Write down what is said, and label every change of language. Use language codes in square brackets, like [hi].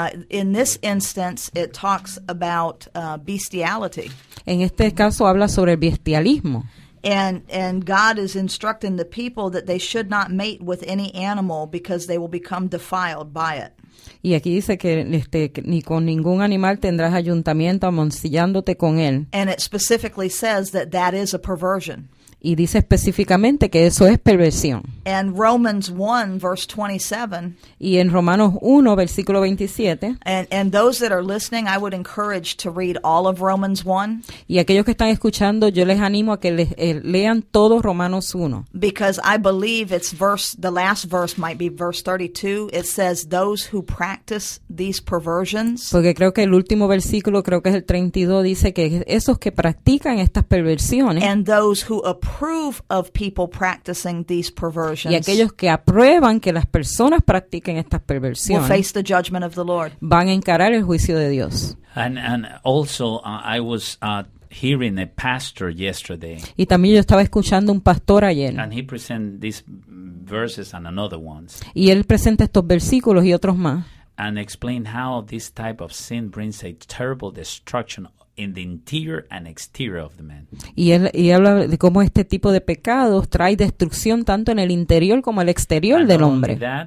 [en] In this instance, it talks about bestiality. [es] En este caso habla sobre el bestialismo. [en] And God is instructing the people that they should not mate with any animal because they will become defiled by it. [es] Y aquí dice que ni con ningún animal tendrás ayuntamiento amoncillándote con él. [en] And it specifically says that that is a perversion. [es] Y dice específicamente que eso es perversión. [en] And Romans 1, verse 27. [es] Y en Romanos 1, versículo 27. [en] And those that are listening, I would encourage to read all of Romans 1. [es] Y aquellos que están escuchando, yo les animo a que lean todo Romanos 1. [en] Because I believe it's the last verse might be verse 32. It says, those who practice these perversions. [es] Porque creo que el último versículo, creo que es el 32, dice que esos que practican estas perversiones. [en] And those who approve of people practicing these perversions. [es] Y aquellos que aprueban que las personas practiquen estas perversiones. [en] Will face the judgment of the Lord. [es] Van a encarar el juicio de Dios. [en] And also I was hearing a pastor yesterday. [es] Y también yo estaba escuchando un pastor ayer. [en] And he presented these verses and another ones. [es] Y él presenta estos versículos y otros más. [en] And explain how this type of sin brings a terrible destruction in the interior and exterior of the man. [es] Y habla de cómo este tipo de pecados trae destrucción tanto en el interior como el exterior del hombre.